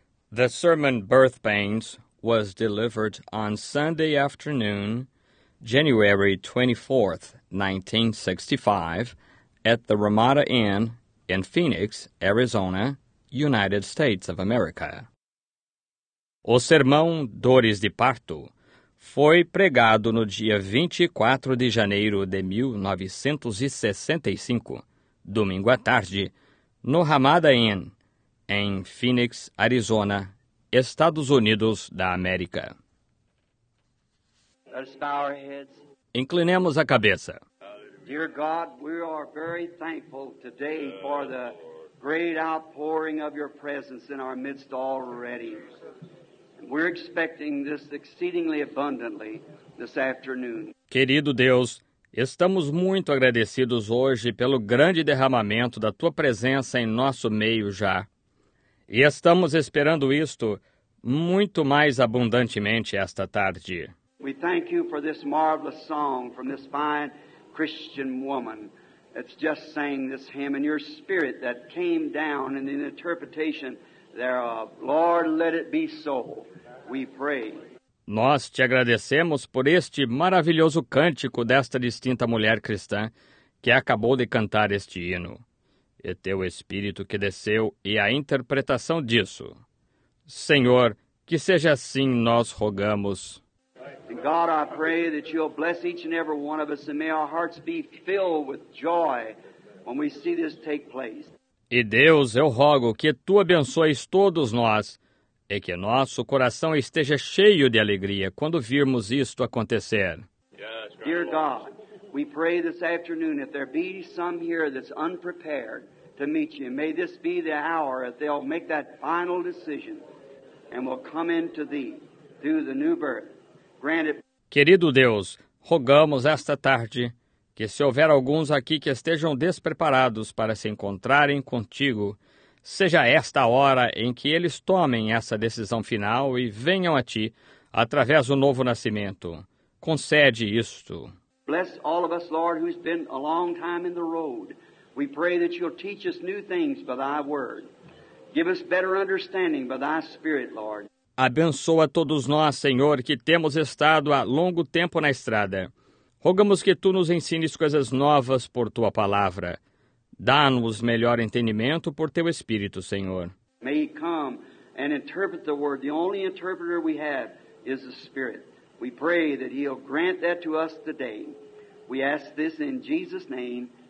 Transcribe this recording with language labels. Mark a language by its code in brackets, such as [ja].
[en] The sermon Birth Pains was delivered on Sunday afternoon, January 24, 1965, at the Ramada Inn in Phoenix, Arizona, United States of America. [pt] O sermão Dores de Parto foi pregado no dia 24 de janeiro de 1965, domingo à tarde, no Ramada Inn, em Phoenix, Arizona, Estados Unidos da América. [en] Let's bow our heads. [pt] Inclinemos a cabeça. [en] Dear God, we are very thankful today for the great outpouring of your presence in our midst already. We're expecting this exceedingly abundantly this afternoon. [pt] Querido Deus, estamos muito agradecidos hoje pelo grande derramamento da tua presença em nosso meio já. E estamos esperando isto muito mais abundantemente esta tarde. [en] We thank you for this marvelous song from this fine Christian woman that's just sang this hymn and your spirit that came down in the interpretation thereof. Lord, let it be so. We pray. [pt] Nós te agradecemos por este maravilhoso cântico desta distinta mulher cristã que acabou de cantar este hino, e teu Espírito que desceu e a interpretação disso. Senhor, que seja assim, nós rogamos. [en] And God, I pray that you'll bless each and every one of us and may our hearts be filled with joy when we see this take place. [pt] E Deus, eu rogo que tu abençoes todos nós e que nosso coração esteja cheio de alegria quando virmos isto acontecer. [en] Dear God, we pray this afternoon if there be some here that's unprepared to meet you, may this be the hour that they'll make that final decision and will come into thee through the new birth. Granted. [pt] Querido Deus, rogamos esta tarde que se houver alguns aqui que estejam despreparados para se encontrarem contigo, seja esta a hora em que eles tomem essa decisão final e venham a ti através do novo nascimento. Concede isto. [en] Bless all of us, Lord, who's been a long time in the road. We pray that you'll teach us new things by thy word. Give us better understanding by thy spirit, Lord. [pt] Abençoa todos nós, Senhor, que temos estado há longo tempo na estrada. Rogamos que tu nos ensines coisas novas por tua palavra. Dá-nos melhor entendimento por teu Espírito, Senhor. [en] May he come and interpret the word. The only interpreter we have is the Spirit. We pray that he'll grant that to us today. We ask this in Jesus' name.